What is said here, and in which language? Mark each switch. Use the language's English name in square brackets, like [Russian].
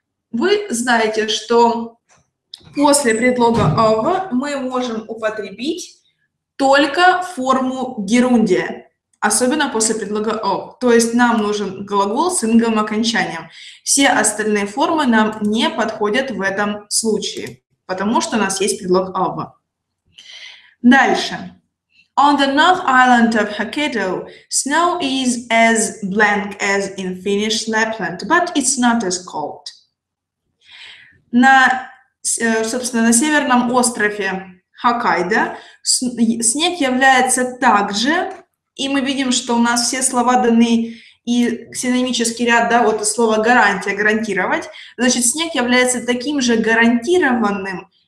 [Russian] Вы знаете, что после предлога of мы можем употребить только форму герундия. Особенно после предлога of. То есть нам нужен глагол с инговым окончанием. Все остальные формы нам не подходят в этом случае, потому что у нас есть предлог of. Дальше. [English] On the North Island of Hokkaido, snow is as blank as in Finnish Lapland, but it's not as cold. [Russian] На северном острове Хоккайдо снег является также... И мы видим, что у нас все слова даны и синонимический ряд, да, вот слово гарантия, гарантировать. Значит, снег является таким же гарантированным,